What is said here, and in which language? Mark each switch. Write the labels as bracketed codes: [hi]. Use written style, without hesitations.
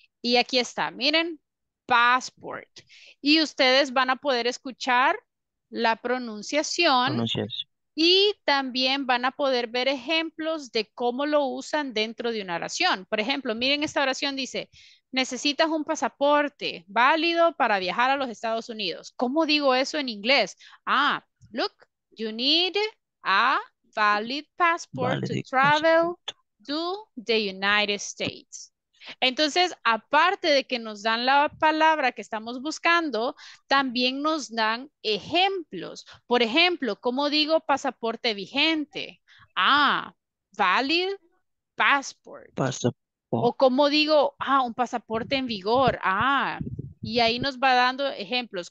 [es] Y aquí está, miren, passport. Y ustedes van a poder escuchar la pronunciación. Y también van a poder ver ejemplos de cómo lo usan dentro de una oración. Por ejemplo, miren esta oración, dice... Necesitas un pasaporte válido para viajar a los Estados Unidos. ¿Cómo digo eso en inglés? [en] Look, you need a valid passport to travel to the United States. [es] Entonces, aparte de que nos dan la palabra que estamos buscando, también nos dan ejemplos. Por ejemplo, ¿cómo digo pasaporte vigente? [en] Valid passport. [es] O como digo, un pasaporte en vigor, y ahí nos va dando ejemplos.